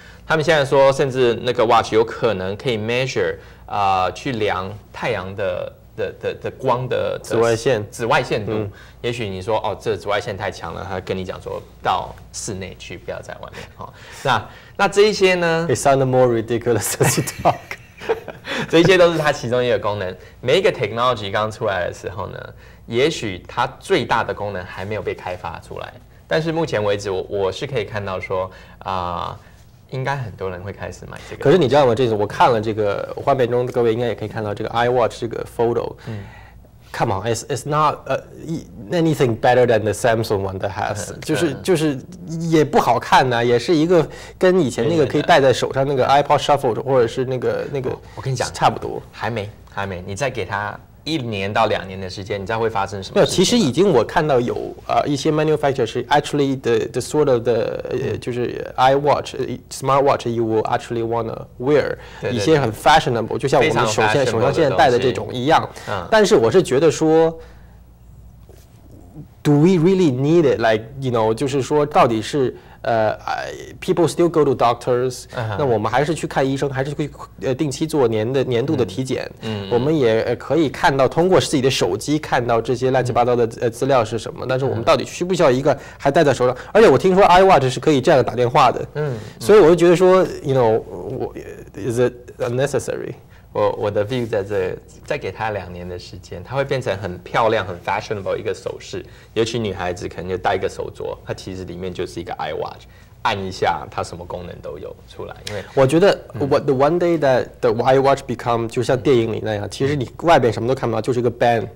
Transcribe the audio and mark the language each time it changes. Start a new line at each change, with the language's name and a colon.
Chinese: 他们现在说，甚至那个 watch 有可能可以 measure。去量太阳的光的紫外线度、嗯、也许你说哦这紫外线太强了，他跟你讲说到室内去，不要在外面、哦、那这一些呢
English: It sounded more ridiculous as you talk
Chinese: 这一些都是它其中一个功能。每一个 technology 刚出来的时候呢，也许它最大的功能还没有被开发出来，但是目前为止我是可以看到说应该很多人会开始买这个。可是你知道吗？这次我看了这个画面中，各位应该也可以看到这个 iWatch 这个 photo。嗯。
English: Come on, it's not anything better than the Samsung one that has.
Chinese: 就是也不好看呢、啊，也是一个跟以前那个可以戴在手上那个 iPod Shuffle 或者是那个，我跟你讲，差不多。还没，你再给他一年到两年的时间，你再会发生什么？没有，其实已经我看到有一些
English: manufacturer 是 actually the sort of the、
Chinese: 就是
English: iWatch smartwatch you will actually wanna wear
Chinese: 对一些很 fashionable， 就像我们手上现在戴的这种一样、嗯。但是我是觉得说 ，
English: Do we really need it? Like you know，
Chinese: 就是说到底是。
English: People still go to doctors、uh-huh.
Chinese: 那我们还是去看医生，还是去、定期做年度的体检、嗯、我们也、可以看到通过自己的手机看到这些乱七八糟的、资料是什么，但是我们到底需不需要一个还戴在手上、uh-huh. 而且我听说 iWatch 是可以这样打电话的、 uh-huh. 所以我就觉得说
English: you know, is it unnecessary？
Chinese: 我的 view 在这，再给他两年的时间，他会变成很漂亮、很 fashionable 一个手饰，尤其女孩子可能就戴一个手镯，它其实里面就是一个 iWatch， 按一下它什么功能都有出来。因为我觉得、
English: what the one day that the iWatch become
Chinese: 就像电影里那样，其实你外边什么都看不到，就是一个 band，